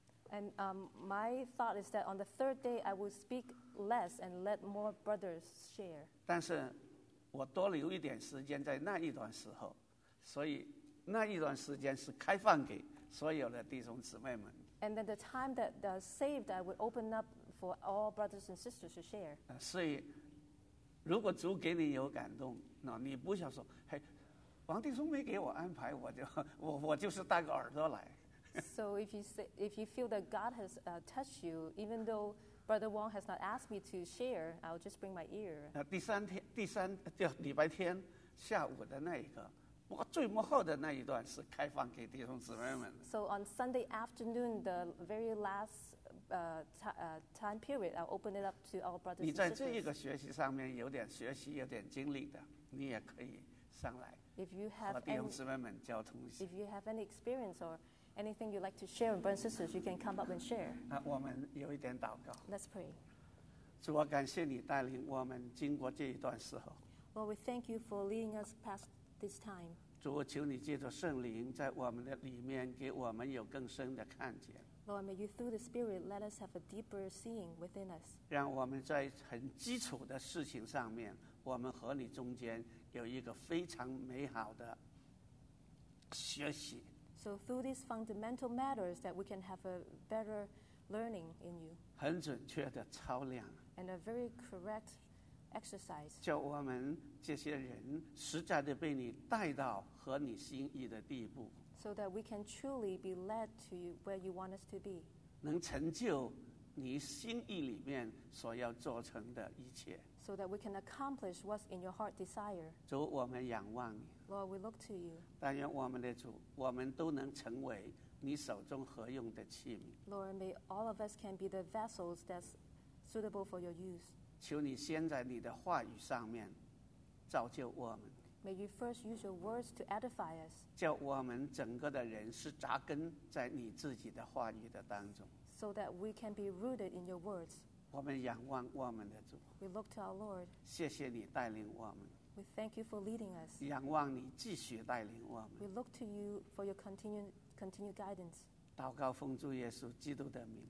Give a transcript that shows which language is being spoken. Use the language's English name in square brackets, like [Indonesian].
[English] And my thought is that on the third day, I will speak less and let more brothers share. [Chinese] 但是我多留一点时间在那一段时候，所以那一段时间是开放给所有的弟兄姊妹们。 [English] And then the time that saved, I would open up for all brothers and sisters to share. [Chinese] 所以如果主给你有感动，那你不想说，嘿，王弟兄没给我安排，我就是带个耳朵来。 [English] So if you feel that God has touched you, even though Brother Wong has not asked me to share, I'll just bring my ear. [Chinese] 第三天礼拜天下午的那一个，我最幕后的那一段是开放给弟兄姊妹们。 [English] So on Sunday afternoon, the very last time period, I'll open it up to our brothers. [Chinese] 你在这一个学习上面有点学习、有点经历的，你也可以上来和弟兄姊妹们交通一下。 [English] If you have any experience or anything you'd like to share with brothers and sisters, you can come up and share. [Chinese] 我们有一点祷告。 [English] Let's pray. [Chinese] 主啊，感谢你带领我们经过这一段时候。 [English] Well, we thank you for leading us past this time. [Chinese] 主，求你借着圣灵在我们的里面给我们有更深的看见。 [English] Lord, may you through the Spirit let us have a deeper seeing within us. [Chinese] 让我们在很基础的事情上面，我们和你中间有一个非常美好的学习。 [English] So through these fundamental matters that we can have a better learning in you. [Chinese] 很准确的操练。 [English] And a very correct exercise. [Chinese] 叫我们这些人实在的被你带到和你心意的地步。 [English] So that we can truly be led to where you want us to be. [Chinese] 能成就你心意里面所要做成的一切。 [English] So that we can accomplish what's in your heart desire. [Chinese] 主，我们仰望你。 [English] Lord, we look to you. [Chinese] 但愿我们的主，我们都能成为你手中合用的器皿。 [English] Lord, may all of us can be the vessels that's suitable for your use. [Chinese] 求你先在你的话语上面造就我们。 [English] May you first use your words to edify us. [Chinese] 叫我们整个的人是扎根在你自己的话语的当中。 [English] So that we can be rooted in your words. [Chinese] 我们仰望我们的主。 [English] We look to our Lord. [Chinese] 谢谢你带领我们。 [English] We thank you for leading us. [Chinese] 仰望你继续带领我们。 [English] We look to you for your continued guidance. [Chinese] 祷告奉主耶稣基督的名。